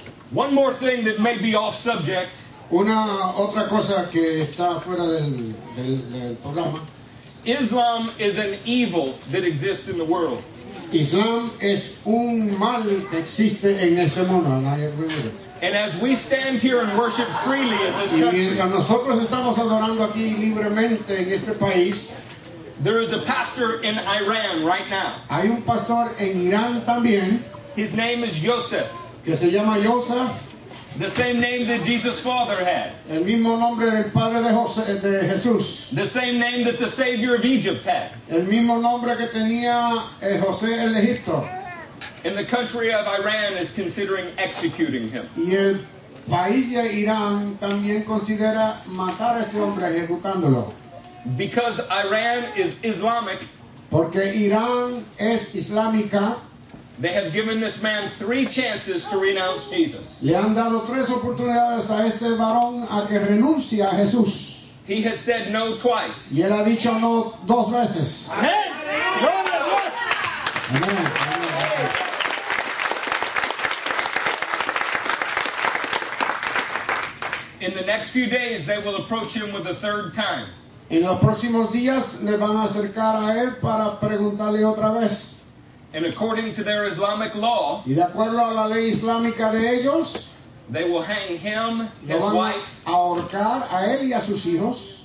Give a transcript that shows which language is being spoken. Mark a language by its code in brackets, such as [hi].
[en] One more thing that may be off subject. [es] Una otra cosa que está fuera del programa. [en] Islam is an evil that exists in the world. [es] Islam es un mal que existe en este mundo. [en] And as we stand here and worship freely in this country. [es] Y mientras nosotros estamos adorando aquí libremente en este país. [en] There is a pastor in Iran right now. [es] Hay un pastor en Irán también. [en] His name is Yosef. [es] Que se llama Yosef. [en] The same name that Jesus' father had. [es] El mismo nombre del padre de Jesús. [en] The same name that the Savior of Egypt had. [es] El mismo nombre que tenía José el Egipto. [en] And the country of Iran is considering executing him. [es] Y el país de Irán también considera matar a este hombre ejecutándolo. [en] Because Iran is Islamic, [es] porque Irán es islámica, [en] they have given this man 3 chances to renounce Jesus. [es] Le han dado 3 oportunidades a este varón a que renuncie a Jesús. [en] He has said no twice. [es] Y él ha dicho no 2 veces. [en] Amen. In the next few days, they will approach him with a 3rd time. [es] En los próximos días le van a acercar a él para preguntarle otra vez. [en] And according to their Islamic law, [es] y de acuerdo a la ley islámica de ellos, [en] they will hang him, [es] lo [en] his [es] van [en] wife, [es] a ahorcar a él y a sus hijos